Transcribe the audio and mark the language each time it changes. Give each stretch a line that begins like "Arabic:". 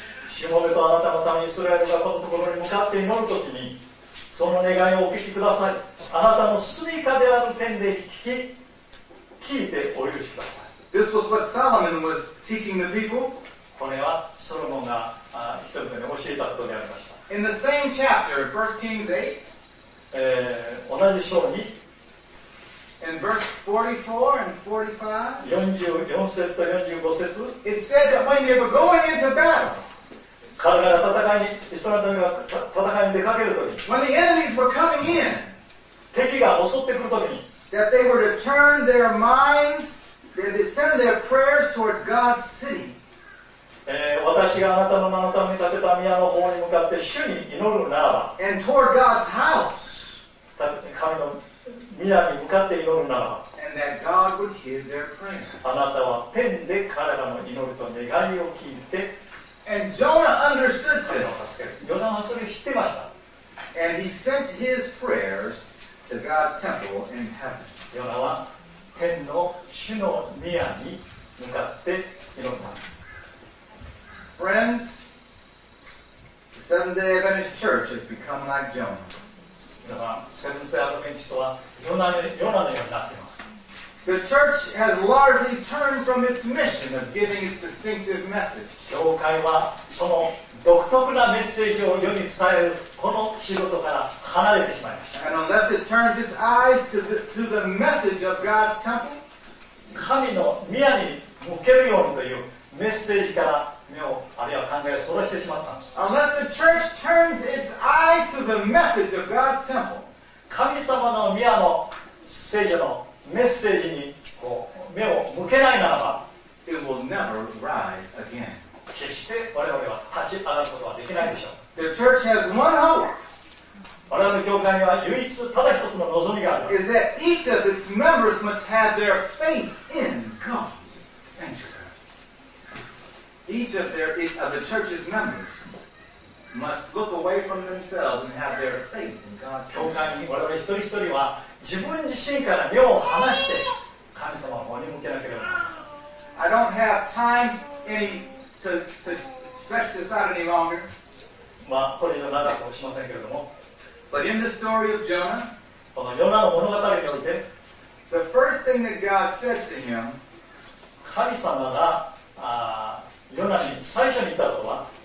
Japanese: しもべとあなたのためにイスラエルがこのところに向かって祈る時にその願いをお聞きください。あなたの住処である天で聞いてお許しください。
English: This was what Solomon was teaching the people.
Japanese: これはソロモンが人々に教えたことでありました。
English: In the same chapter, 1 Kings 8,
Japanese: 同じ章に、
English: in verse 44 and 45,
Japanese: 44節と45節、
English: it said that when they were going into battle,
Japanese: 彼らが戦いに、イスラエルが戦いに出かけるとき、
English: when the enemies were coming in,
Japanese: 敵が襲ってくるときに、
English: that they were to turn their minds, that they send their prayers towards God's city.
Japanese: 私があなたの名のために建てた宮の方に向かって主に祈るならば、
English: And toward God's house.
Japanese: 神の宮に向かって祈るならば、
English: And that God would hear their prayer.
Japanese: あなたは天で彼らの祈りと願いを聞いて、
English: And Jonah understood this.
Japanese: ヨナはそれを知ってました。
English: And he sent his prayers to God's temple in heaven.
Japanese: ヨナは天の主の宮に向かって祈った。
English: Friends, the Seventh-day Adventist Church has become like Jonah.
Japanese: Seventh-day Adventist はヨナのようになっています。
English: The church has largely turned from its mission of giving its distinctive message.
Japanese: 教会はその独特なメッセージを世に伝えるこの仕事から離れてしまいました。
English: And unless it turns its eyes to the message of God's temple,
Japanese: 神の宮に向けるようにというメッセージから目をあるいは考えをそらしてしまったんです。
English: Unless the church turns its eyes to the message of God's temple,
Japanese: 神様の宮の聖書のメッセージにこう目を向けないならば、
English: It will never rise again.
Japanese: 決して我々は立ち上がることはできないでしょう。
English: The church has one hope.
Japanese: 我々の教会には唯一ただ一つの望みがある。
English: Is that each of its members must have their faith in God's sanctuary. Each of the church's members must look away from themselves and have their faith in God's sanctuary.
Japanese: 教会に我々一人一人は自分自身から目を離して神様を守り向けなければならない。
English: I don't have time to stretch this out any longer.
Japanese: まあ、これ以上長くしませんけれども。
English: But in the story of Jonah,
Japanese: このヨナの物語において、
English: the first thing that God said to him,
Japanese: 神様がヨナに最初に言ったことは、